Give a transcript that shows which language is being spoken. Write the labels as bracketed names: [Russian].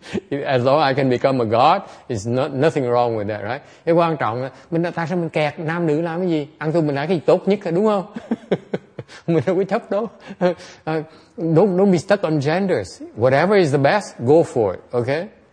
[English] As long as I can become a god, it's nothing wrong with that, right? [Vietnamese] Cái quan trọng là mình tại sao mình kẹt nam nữ làm cái gì? Ăn thua mình là cái gì tốt nhất, đúng không? Mình đâu có chấp đâu. [English] Don't be stuck on genders. Whatever is the best, go for it, okay?